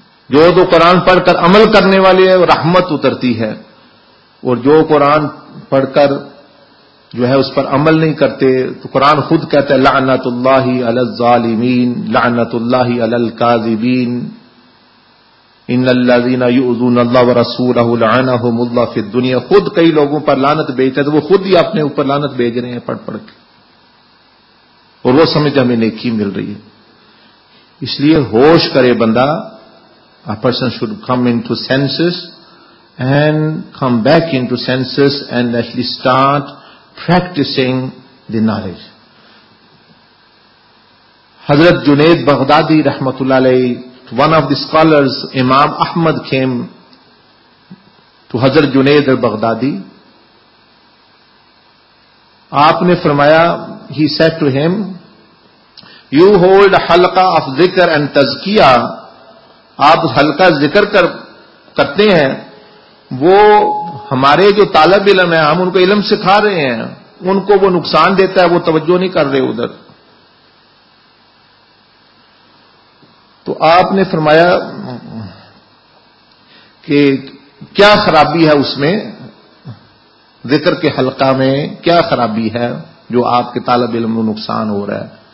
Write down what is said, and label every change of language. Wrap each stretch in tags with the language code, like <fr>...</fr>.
<ur>جو تو قرآن پڑھ کر عمل کرنے والے ہیں وہ رحمت اترتی ہے، اور جو قرآن پڑھ کر جو ہے اس پر عمل نہیں کرتے، تو قرآن خود کہتا ہے</ur> <ar>لعنت اللہ علی الظالمین، لعنت اللہ علی الکاذبین. ان الذين يؤذون الله ورسوله لعنهم الله في الدنيا.</ar> <ur>خود کئی لوگوں پر لعنت بھیجتے تو وہ خود ہی اپنے اوپر لعنت بھیج رہے ہیں پڑھ پڑھ کے, اور وہ سمجھتے ہمیں نیکی مل رہی ہے. اس لیے ہوش کرے بندہ,</ur> <en>a person should come into senses and come back into senses and actually start practicing the knowledge. Hazrat Junaid Baghdadi rahmatullah alayhi, one of the scholars, Imam Ahmad, came to Hazrat Junaid al-Baghdadi.</en> <ur>Aapne farmaya,</ur> <en>he said to him, you hold a halqa of dhikr and tazkiyah.</en> <ur>آپ حلقہ ذکر کرتے ہیں, وہ ہمارے جو طالب علم ہیں ہم ان کو علم سکھا رہے ہیں, ان کو وہ نقصان دیتا ہے, وہ توجہ نہیں کر رہے ادھر. تو آپ نے فرمایا کہ کیا خرابی ہے اس میں, ذکر کے حلقہ میں کیا خرابی ہے جو آپ کے طالب علم کو نقصان ہو رہا ہے.</ur>